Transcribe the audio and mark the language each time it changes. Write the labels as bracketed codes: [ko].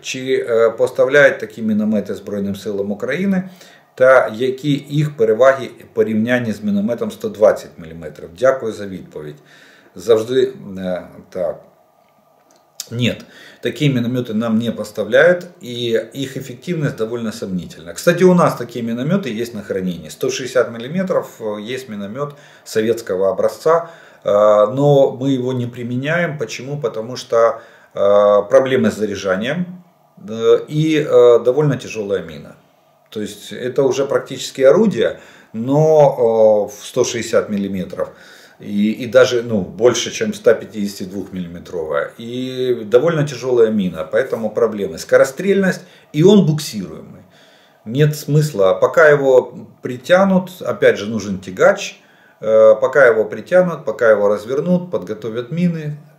[ru] Чи поставляют такие минометы Збройним силам Украины? [uk] Та які їх переваги порівнянні з мінометом 120 мм? Дякую за відповідь. Завжди так. Ні, такі міномети нам не поставляють, і їх ефективність доволі сумнівна. Кстати, у нас такі міномети є на храненні. 160 мм є міномет совєтського образця, але ми його не применяємо. Чому? Тому що проблеми з заряджанням і доволі тяжела міна. [ru] То есть это уже практически орудие, но в 160 мм и даже больше, чем 152-мм. И довольно тяжелая мина, поэтому проблемы. Скорострельность, и он буксируемый. Нет смысла, пока его притянут, опять же нужен тягач, пока его притянут, пока его развернут, подготовят мины.